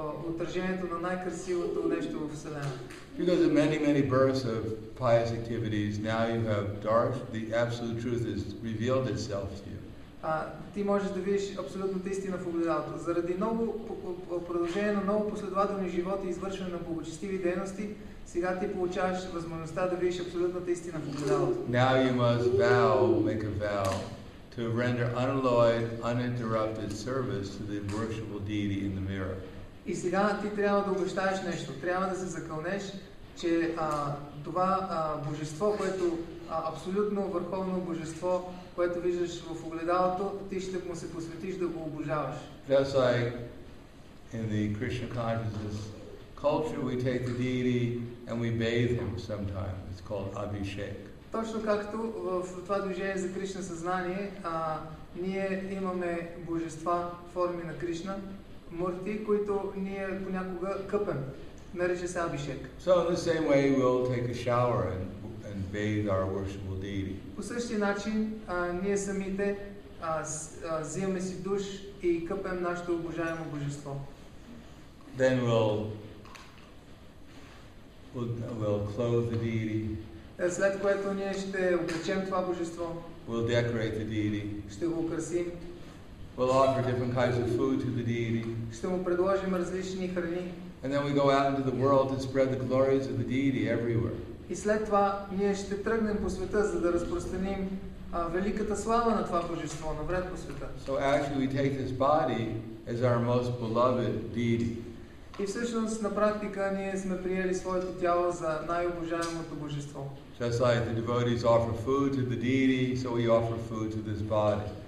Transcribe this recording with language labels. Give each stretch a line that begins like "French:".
Bulgarian: отражението на най-красивото нещо в Вселената.
English: Because of many, many births of pious activities, now you have dark, the absolute truth has revealed itself to you.
Bulgarian: Ти можеш да видиш абсолютната истина в огледалото. Заради много продължение на много последователни животи и извършване на благочестиви дейности, сега ти получаваш възможността да видиш абсолютната истина в огледалото.
English: Now you must vow, make a vow, to render unalloyed, uninterrupted service to the worshipful deity in the mirror.
Bulgarian: И сега ти трябва да обещаеш нещо. Трябва да се закълнеш, че това божество, което абсолютно върховно божество, което виждаш в огледалото, ти ще му се посветиш да го обожаваш.
English: Just like in the Krishna consciousness culture, we take the deity and we bathe him sometimes. It's called Abhishek.
Bulgarian: Точно както в това движение за Кришна съзнание, ние имаме божества, форми на Кришна, мурти, които ние понякога къпем. Нарича се Абишек.
English: So in the same way we'll take a shower and bathe our worshipful deity.
Bulgarian: По същия начин ние самите взимаме си душ и къпем нашето обожаемо божество.
English: Then we'll clothe the deity.
Bulgarian: След което ние ще облечем това божество.
English: We'll decorate the deity.
Bulgarian: Ще го украсим.
English: We'll offer different kinds of food to the deity.
Bulgarian: Ще му предложим различни храни.
English: And then we go out into the world to spread the glories of the deity everywhere.
Bulgarian: И след това ние ще тръгнем по света, за да разпространим великата слава на това божество навред по света.
English: So actually we take this body as our most beloved deity.
Bulgarian: И всъщност на практика ние сме приели своето тяло за най-обожаемото божество.
English: Just like the devotees offer food to the deity, so we offer food to this body.